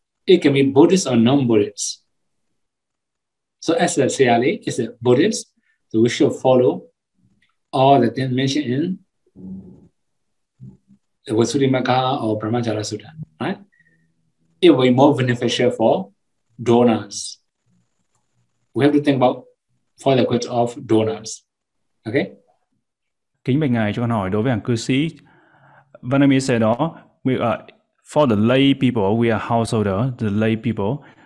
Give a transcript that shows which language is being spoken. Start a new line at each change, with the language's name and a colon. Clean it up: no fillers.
English: It can be Buddhist or non-Buddhist. So as the Siyali is a Buddhist, so we should follow all the things mentioned in the Visuddhimagga or Brahmacara Sutta, right? It will be more beneficial for donors. We have to think about for the good of donors. Okay?
Vietnamese: Kính bạch ngài cho con hỏi đối với hàng cư sĩ.
English: Vanami said, for the lay people, we are householder, the lay people.